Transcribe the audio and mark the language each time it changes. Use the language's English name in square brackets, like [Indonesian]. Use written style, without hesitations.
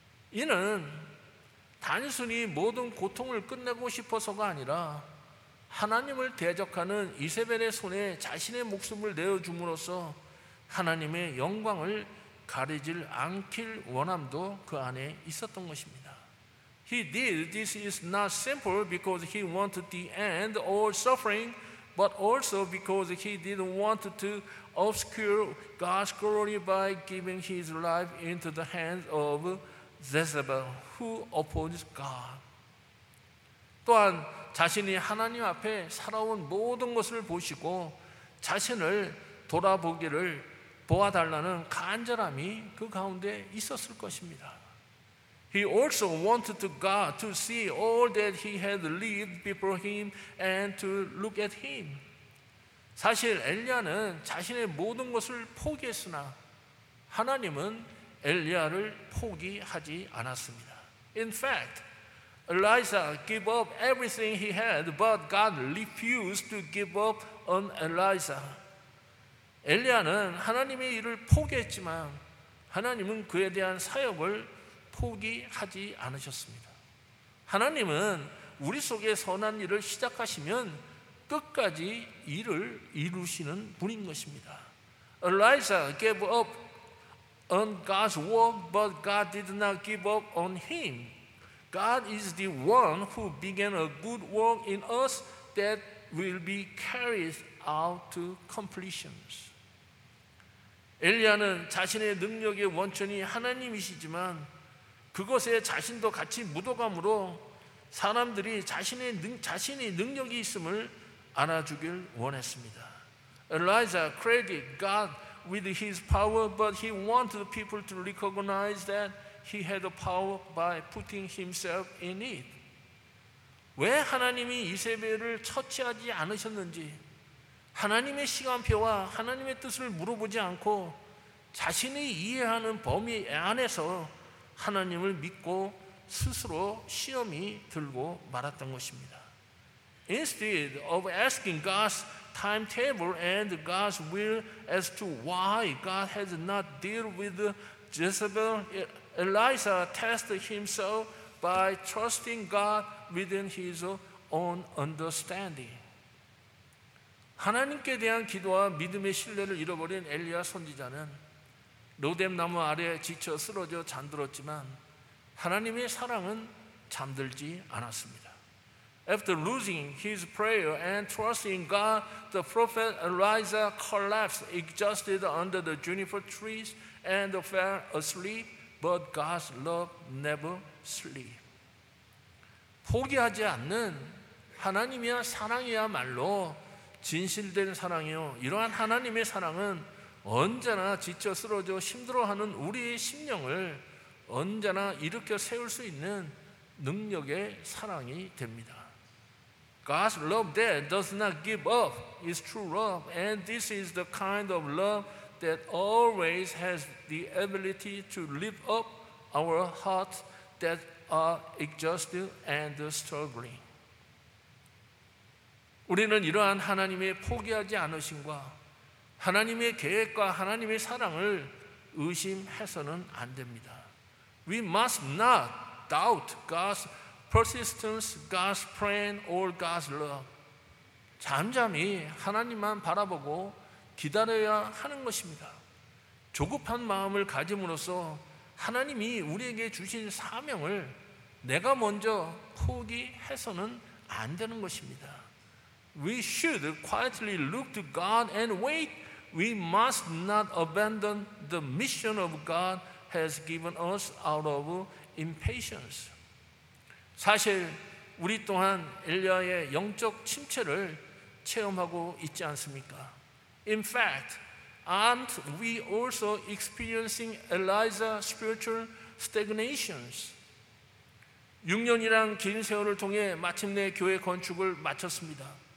[Korean] 이는 단순히 모든 고통을 끝내고 싶어서가 아니라 하나님을 대적하는 이세벨의 손에 자신의 목숨을 내어줌으로써 하나님의 영광을 가리질 않길 원함도 그 안에 있었던 것입니다. [English] He did this is not simple because he wanted the end all suffering but also because he didn't want to obscure God's glory by giving his life into the hands of Jezebel who opposes God. [Korean] 또한 자신이 하나님 앞에 살아온 모든 것을 보시고 자신을 돌아보기를 보아달라는 간절함이 그 가운데 있었을 것입니다. [English] He also wanted God to see all that he had lived before him and to look at him. [Korean] 사실 엘리야는 자신의 모든 것을 포기했으나 하나님은 엘리야를 포기하지 않았습니다. [English] In fact, Elijah gave up everything he had, but God refused to give up on Elijah. [Korean] 엘리야는 하나님의 일을 포기했지만 하나님은 그에 대한 사역을 포기하지 않으셨습니다. 하나님은 우리 속에 선한 일을 시작하시면 끝까지 일을 이루시는 분인 것입니다. [English] Elijah gave up on God's work, but God did not give up on him. God is the one who began a good work in us that will be carried out to completion. [Korean] 엘리야는 자신의 능력의 원천이 하나님이시지만 그것에 자신도 같이 묻어감으로 사람들이 자신이 능력이 있음을 알아주길 원했습니다. [English] Elijah credited God with his power, but he wanted people to recognize that he had the power by putting himself in it. [Korean] 왜 하나님이 이세벨을 처치하지 않으셨는지 하나님의 시간표와 하나님의 뜻을 물어보지 않고 자신이 이해하는 범위 안에서 하나님을 믿고 스스로 시험이 들고 말았던 것입니다. [English] Instead of asking God's timetable and God's will as to why God has not dealt with Jezebel, Elijah tested himself by trusting God within his own understanding. [Korean] 하나님께 대한 기도와 믿음의 신뢰를 잃어버린 엘리야 선지자는 로뎀나무 아래에 지쳐 쓰러져 잠들었지만 하나님의 사랑은 잠들지 않았습니다. [English] After losing his prayer and trusting God, the prophet Elijah collapsed, exhausted under the juniper trees and fell asleep, but God's love never sleeps. [Korean] 포기하지 않는 하나님이야 사랑이야말로 진실된 사랑이요. 이러한 하나님의 사랑은 언제나 지쳐 쓰러져 힘들어하는 우리의 심령을 언제나 일으켜 세울 수 있는 능력의 사랑이 됩니다. [English] God's love that does not give up is true love, and this is the kind of love that always has the ability to lift up our hearts that are exhausted and struggling. [Korean] 우리는 이러한 하나님의 포기하지 않으심과 하나님의 계획과 하나님의 사랑을 의심해서는 안 됩니다. [English] We must not doubt God's persistence, God's plan, or God's love. [Korean] 잠잠히 하나님만 바라보고 기다려야 하는 것입니다. 조급한 마음을 가짐으로써 하나님이 우리에게 주신 사명을 내가 먼저 포기해서는 안 되는 것입니다. [English] We should quietly look to God and wait. We must not abandon the mission of God has given us out of impatience. [Korean] 사실 우리 또한 엘리야의 영적 침체를 체험하고 있지 않습니까? [English] In fact, aren't we also experiencing Elijah's spiritual stagnations? [Korean] 6년이란 긴 세월을 통해 마침내 교회 건축을 마쳤습니다.